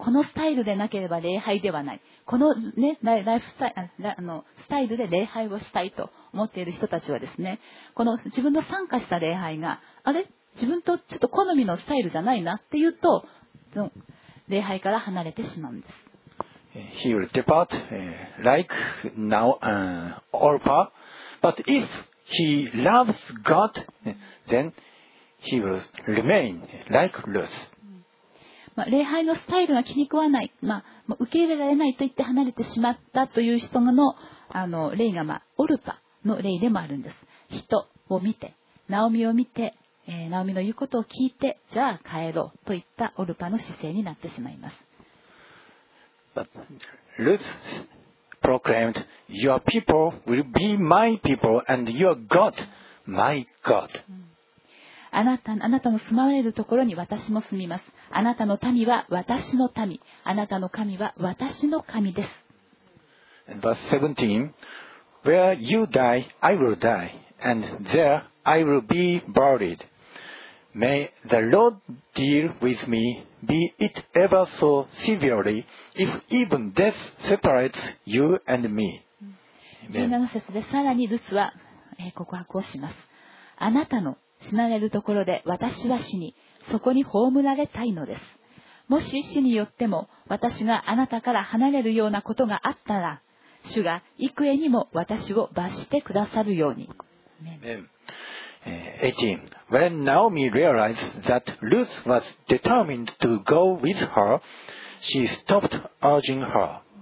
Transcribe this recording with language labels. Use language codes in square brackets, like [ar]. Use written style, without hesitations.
[ja] このスタイルでなければ礼拝ではない。この、ね、スタイルで礼拝をしたいと思っている人たちはですね、この自分の参加した礼拝が、あれ自分とちょっと好みのスタイルじゃないなっていうと、礼拝から離れてしまうんです。 [en] He will depart like now all part. But if he loves God, then he will remain like Ruth. [ja] まあ、礼拝のスタイルが気に食わない、まあ、受け入れられないと言って離れてしまったという人の、霊が、まあ、オルパの霊でもあるんです。人を見て、ナオミを見て、ナオミの言うことを聞いて、じゃあ帰ろうといったオルパの姿勢になってしまいます。 [en] But Ruth proclaimed, Your people will be my people and your God, my God. [ja] あなたの住まわれるところに私も住みます。あなたの民は私の民。あなたの神は私の神です。 [en] Verse 17. Where you die, I will die, and there I will be buried. May the Lord deal with me, be it ever so severely, if even death separates you and me. [ja] 17節でさらにルツは告白をします。あなたの死なれるところで私は死に、そこに葬られたいのです。もし死によっても私があなたから離れるようなことがあったら、主が幾重にも私を罰してくださるように。 [en] 18. When Naomi realized that Ruth was determined to go with her, she stopped urging her.